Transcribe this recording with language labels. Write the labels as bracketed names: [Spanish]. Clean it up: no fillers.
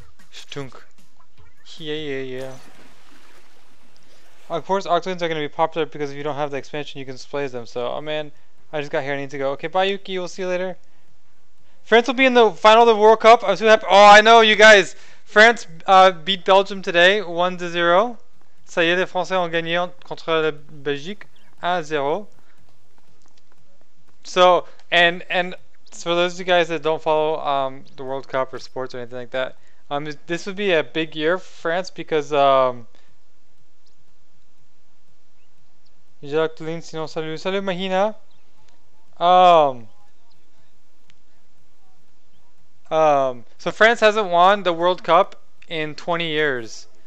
[English] Shtunk. Yeah. Of course, Octolings are going to be popular because if you don't have the expansion, you can display them. So, oh man, I just got here. I need to go. Okay, bye, Yuki. We'll see you later. France will be in the final of the World Cup. I'm so happy. Oh, I know, you guys. France beat Belgium today, 1-0. [French] Ça y est, les Français ont gagné contre la Belgique, 1-0. [English] So, and for those of you guys that don't follow the World Cup or sports or anything like that, this would be a big year for France because... Jacqueline, [French] sinon salut. Salut, [English] Mahina. So France hasn't won the World Cup in 20 years.